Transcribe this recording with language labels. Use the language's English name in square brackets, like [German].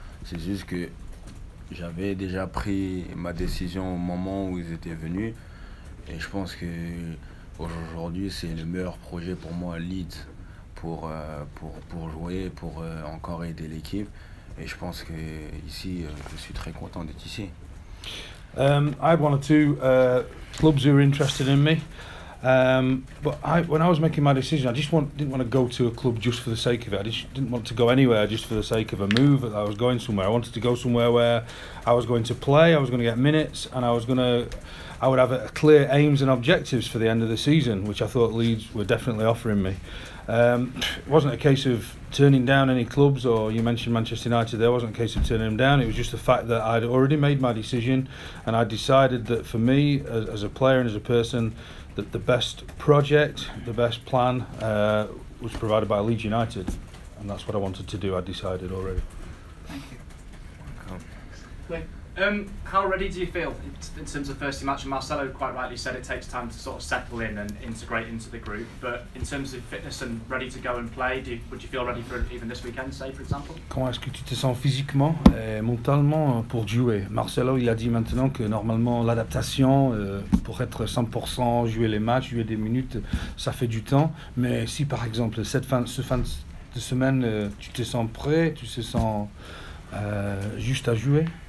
[French] C'est juste que j'avais déjà pris ma décision au moment où ils étaient venus. Et je pense que aujourd'hui c'est le meilleur projet pour moi, Leeds, pour jouer, pour encore aider l'équipe. Et je pense que ici, je suis très content d'être ici. [English] I had one or two clubs who were interested in me, but when I was making my decision, I just didn't want to go to a club just for the sake of it. I just didn't want to go anywhere just for the sake of a move. I was going somewhere. I wanted to go somewhere where I was going to play. I was going to get minutes, and I would have a clear aims and objectives for the end of the season, which I thought Leeds were definitely offering me. It wasn't a case of turning down any clubs, or you mentioned Manchester United there, it wasn't a case of turning them down. It was just the fact that I'd already made my decision, and I decided that for me, as a player and as a person, that the best project, the best plan, was provided by Leeds United, and that's what I wanted to do. I decided already. Thank you. How ready do you feel in terms of first team action? Marcelo quite rightly said it takes time to sort of settle in and integrate into the group. But in terms of fitness and ready to go and play, would you feel ready for even this weekend, say, for example? [French] Comment est-ce que tu te sens physiquement et mentalement pour jouer? Marcelo, il a dit maintenant que normalement l'adaptation pour être 100% jouer les matchs, jouer des minutes, ça fait du temps. Mais si par exemple cette fin de semaine, tu te sens prêt, tu te sens juste à jouer?